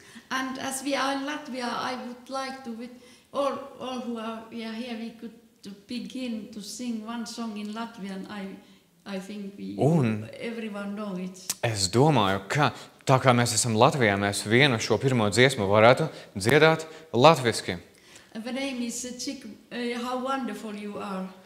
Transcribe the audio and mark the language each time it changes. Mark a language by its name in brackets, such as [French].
[English] And as we are in Latvia, I would like to, with all who are here, we could to begin to sing one song in Latvian. I think we [Latvian] Un, [English] everyone know it. [Latvian] Es domāju, ka Tā kā mēs esam Latvijā, mēs vienu šo pirmo dziesmu varētu dziedāt latviski. [English] The name is how wonderful you are.